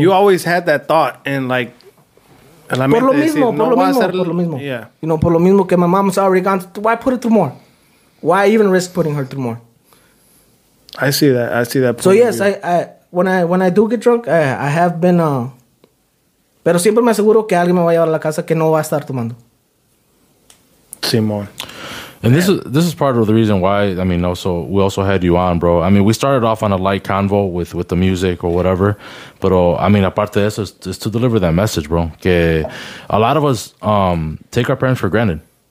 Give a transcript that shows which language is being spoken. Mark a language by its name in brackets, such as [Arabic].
[English] You always had that thought and like. [Spanish] Por lo mismo. [English] Yeah. You know, por lo mismo que my mom's already gone. Why put it through more? Why even risk putting her through more? I see that. Point so yes, when I do get drunk, I have been. [Spanish] Pero siempre me aseguro que alguien me va a llevar a la casa que no va a estar tomando. Simon. [English] And this is part of the reason why, I mean, also we also had you on, bro. I mean, we started off on a light convo with the music or whatever. But, I mean, aparte de eso, it's to deliver that message, bro. Que a lot of us take our parents for granted.